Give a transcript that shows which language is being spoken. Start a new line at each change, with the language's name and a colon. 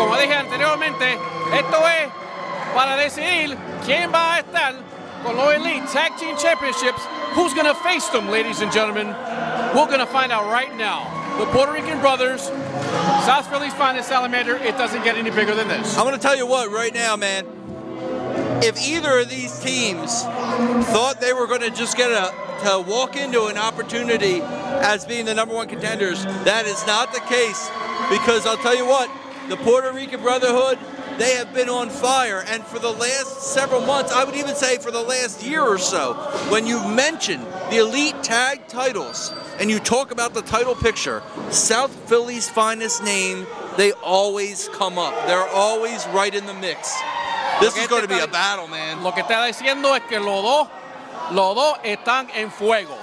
Spanish: Esto es para decidir quién va a estar con los Elite Tag Team Championships.
English: Who's going to face them, ladies and gentlemen? We're going to find out right now. The Puerto Rican brothers, South Philly's finest salamander, it doesn't get any bigger than this. I'm going to tell you what, right now, man, if either of these teams thought they were going to just get to walk into an opportunity as being the number one contenders, that is not the case. Because I'll tell you what, the Puerto Rican Brotherhood, they have been on fire, and for the last several months, I would even say for the last year or so, when you mention the Elite Tag titles and you talk about the title picture, South Philly's finest name, they always come up. They're always right in the mix. This is going to be a battle, man.
Spanish: Lo que está diciendo es que los dos están en fuego.